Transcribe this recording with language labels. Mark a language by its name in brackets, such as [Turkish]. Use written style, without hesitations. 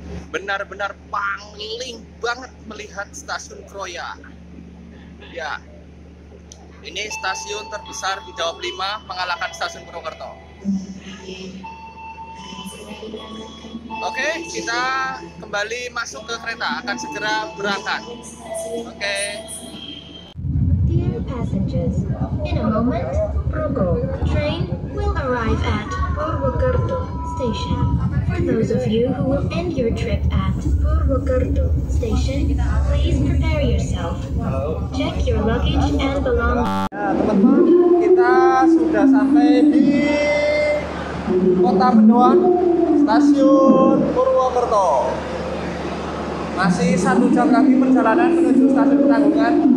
[Indonesian] Benar-benar paling banget melihat stasiun Kroya. Ya. Ini stasiun terbesar di Jawa 5 mengalahkan stasiun Purwokerto. Oke, kita kembali masuk ke kereta, akan segera berangkat. Oke. [English] Dear passengers, in a moment, Progo train will arrive at Purwokerto station. For those of you who will end your trip at Purwokerto station, please prepare yourself. Check your luggage and belongings. [Indonesian] Teman-teman, kita sudah sampai di Kota Mendoan, Stasiun Purwokerto. Masih 1 jam lagi perjalanan menuju Stasiun Penanggungan.